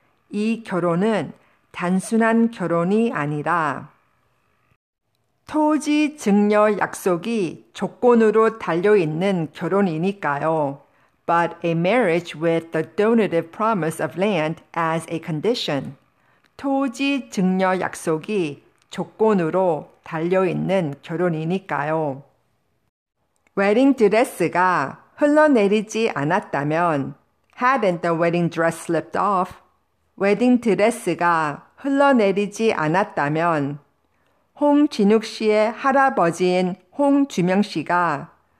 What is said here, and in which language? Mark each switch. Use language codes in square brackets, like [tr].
[ko] 이 결혼은 단순한 결혼이 아니라 토지 증여 약속이 조건으로 달려있는 결혼이니까요. [en] But a marriage with the donative promise of land as a condition. [ko] 토지 증여 약속이 조건으로 달려있는 결혼이니까요. 웨딩 드레스가 흘러내리지 않았다면 [en] Hadn't the wedding dress slipped off? [ko] 웨딩 드레스가 흘러내리지 않았다면 홍진욱 씨의 할아버지인 홍주명 씨가